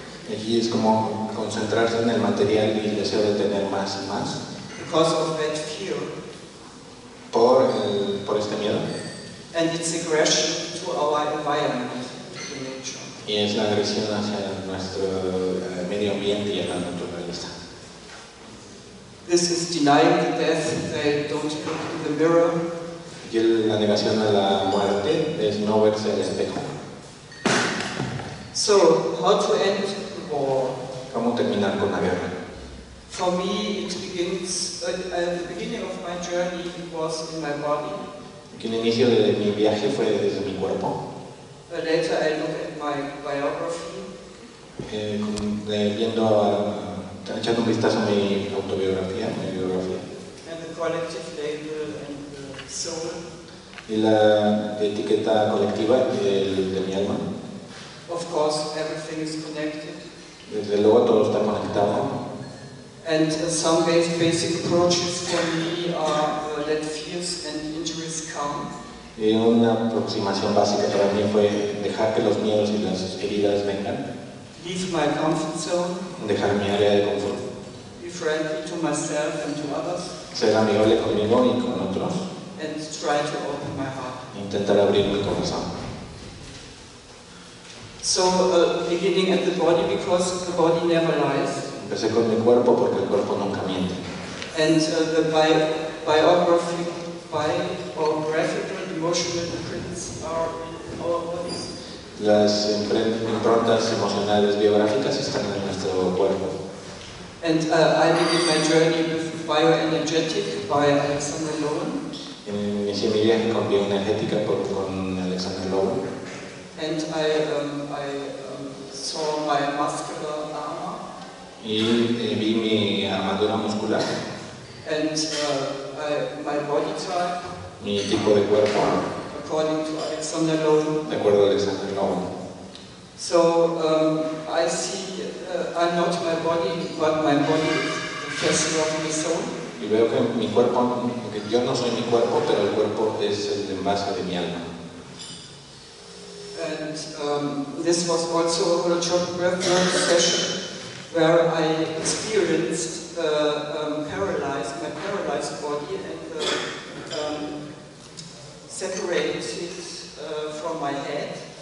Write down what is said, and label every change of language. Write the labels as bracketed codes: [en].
[es] Aquí es como concentrarse en el material y el deseo de tener más y más. [en] Because of that fear. [es] Por este miedo. [en] And it's aggression to our environment, to nature. [es] Y es la agresión hacia nuestro medio ambiente y a la naturaleza. [en] This is denying the death. They don't look in the mirror. [es] Y la negación a la muerte es no verse en el espejo. [en] So, how to end the war? [es] ¿Cómo terminar con la guerra? [en] For me, it begins at the beginning of my journey. It was in my body. [es] Que el inicio de mi viaje fue desde mi cuerpo. [en] Later, I look at my biography. [es] viendo echando un vistazo a mi autobiografía, [en] And the collective label and the soul. [es] Y la etiqueta colectiva de mi alma. [en] Of course, everything is connected. [es] Desde luego todo está conectado. [en] And some basic approaches for me are that fears and injuries come. [es] Y una aproximación básica para mí fue dejar que los miedos y las heridas vengan. [en] Leave my comfort zone. [es] Dejar mi área de confort. [en] Be friendly to myself and to others. [es] Ser amigable conmigo y con otros. [en] And try to open my heart. [es] Intentar abrir mi corazón. [en] So beginning at the body because the body never lies. [es] Empecé con mi cuerpo porque el cuerpo nunca miente. [en] And the biographical, emotional imprints are in our bodies. [es] Las improntas emocionales biográficas están en nuestro cuerpo. [en] And I began my journey with bioenergetic by Alexander Lowen. [es] Inicié mi viaje con bioenergética con Alexander Lowen. [en] And I saw my muscular armor. [es] Y vi mi armadura muscular. [en] And my body type. [es] Mi tipo de cuerpo. [en] According to Alexander Lowen. [es] De acuerdo a Alexander Lowen. [en] So I see I'm not my body, but my body is the vessel of my soul. [es] Y veo que mi cuerpo, que yo no soy mi cuerpo, pero el cuerpo es el envase de mi alma. [en] And this was also a workshop reference session where I experienced my paralyzed body and separated from my head.